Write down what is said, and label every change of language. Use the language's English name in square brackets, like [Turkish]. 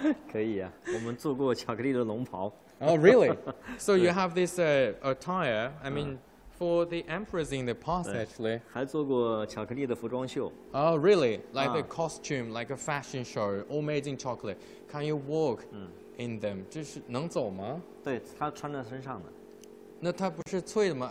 [Chinese] 可以啊,我们做过巧克力的龙袍。 [English] Oh, really? So you have this attire, I mean, for the emperors in the past, actually. [Chinese] 还做过巧克力的服装秀。 [English] Oh, really? Like a costume, like a fashion show, all made in chocolate. Can you walk in them? [Chinese] 这是能走吗? 对,他穿在身上的。那它不是脆的吗?